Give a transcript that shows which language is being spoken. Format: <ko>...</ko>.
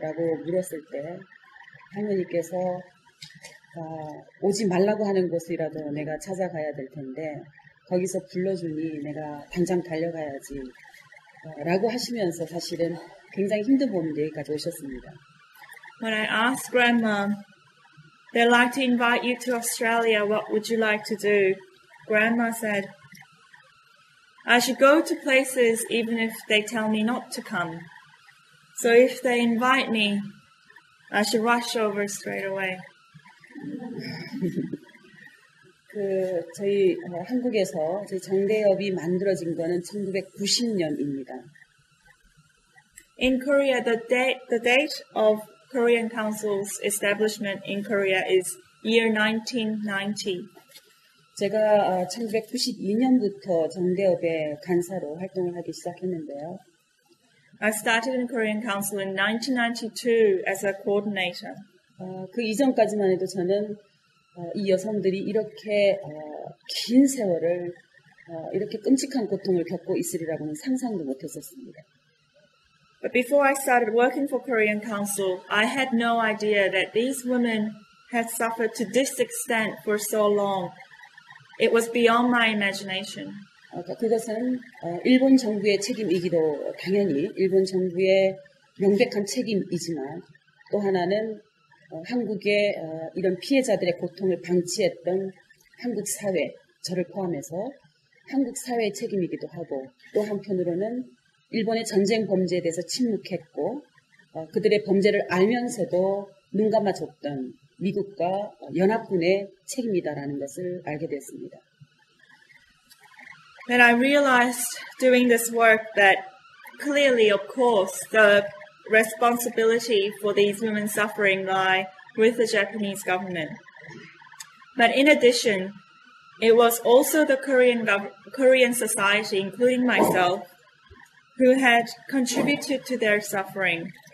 <ko>라고 물었을 때 할머니께서 오지 말라고 하는 곳이라도 내가 찾아가야 될 텐데 거기서 불러주니 내가 당장 달려가야지 라고 하시면서 사실은 굉장히 힘든 몸을 여기까지 오셨습니다.</ko> <en>When I asked Grandma, they'd like to invite you to Australia, what would you like to do? Grandma said, I should go to places even if they tell me not to come. So if they invite me, I should rush over straight away.</en> <ko>그 저희 한국에서 저희 정대협이 만들어진 거는 1990년입니다.</ko> <en>In Korea, the date of Korean Council's establishment in Korea is year 1990.</en> <ko>제가 1992년부터 정대협의 간사로 활동을 하기 시작했는데요.</ko> <en>I started in Korean Council in 1992 as a coordinator.</en> <ko>그 이전까지만 해도 저는 이 여성들이 이렇게 긴 세월을 이렇게 끔찍한 고통을 겪고 있으리라고는 상상도 못했었습니다.</ko> <en>But before I started working for Korean Council, I had no idea that these women had suffered to this extent for so long. It was beyond my imagination.</en> <ko>그것은 일본 정부의 책임이기도 당연히 일본 정부의 명백한 책임이지만 또 하나는 한국의 이런 피해자들의 고통을 방치했던 한국 사회, 저를 포함해서 한국 사회의 책임이기도 하고 또 한편으로는 일본의 전쟁 범죄에 대해서 침묵했고 그들의 범죄를 알면서도 눈감아줬던 미국과 연합군의 책임이다라는 것을 알게 됐습니다.</ko> <en>Then I realized doing this work that clearly, of course, the responsibility for these women's suffering lie with the Japanese government. But in addition, it was also the Korean society, including myself, who had contributed to their suffering.</en>